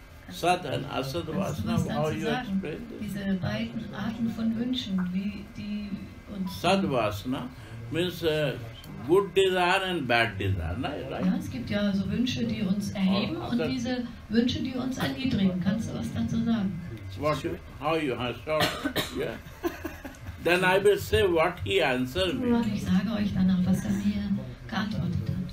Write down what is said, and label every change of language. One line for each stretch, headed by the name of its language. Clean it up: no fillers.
English: Sat and Asad Vasana, how you explain this?
German: Diese beiden Arten von Wünschen, die uns.
English: Sat Vasana means good desire and bad desire, right?
German: Ja, es gibt ja so Wünsche, die uns erheben und diese Wünsche, die uns erniedrigen. Kannst du was dazu sagen?
English: What you, how you have thought? Yeah. Then I will say what he answered me.
German: Und ich sage euch danach, was mir geantwortet.